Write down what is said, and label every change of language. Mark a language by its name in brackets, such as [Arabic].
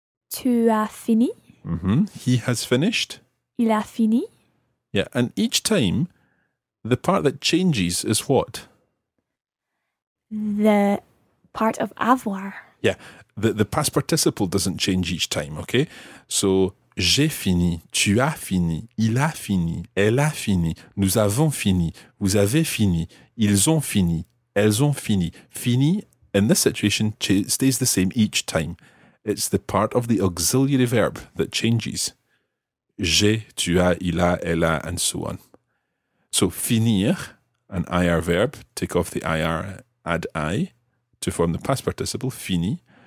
[French] Tu as fini. [English] Mm-hmm. He has finished. [French] Il a fini. [English] Yeah. And each time, the part that changes is what? The part of avoir. Yeah, the past participle doesn't change each time, okay? [French] So, j'ai fini, tu as fini, il a fini, elle a fini, nous avons fini, vous avez fini, ils ont fini, elles ont fini. [English] Fini, in this situation, stays the same each time. It's the part of the auxiliary verb that changes. [French] J'ai, tu as, il a, elle a, [English] and so on. So, finir, an IR verb, take off the IR, add I to form the past participle, fini.